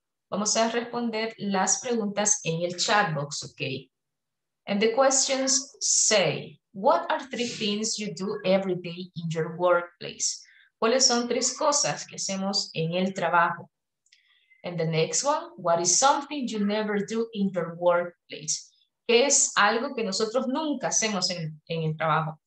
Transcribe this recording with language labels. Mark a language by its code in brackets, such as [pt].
[es] Vamos a responder las preguntas en el chat box, ok? [en] And the questions say, what are three things you do every day in your workplace? [es] ¿Cuáles son tres cosas que hacemos en el trabajo? [en] And the next one, what is something you never do in your workplace? [es] ¿Qué es algo que nosotros nunca hacemos en el trabajo?